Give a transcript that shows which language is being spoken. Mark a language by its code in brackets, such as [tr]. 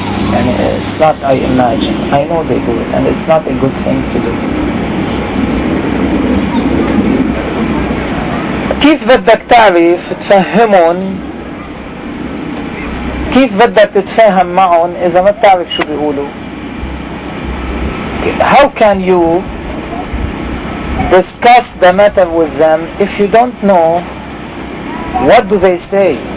[en] And it's not, I imagine. I know they do it, and it's not a good thing to do. [ar] كيف بدك تعرف تفهمهم كيف بدك تتفاهم معهم إذا ما بتعرف شو بيقولوا. [en] How can you discuss the matter with them if you don't know what do they say?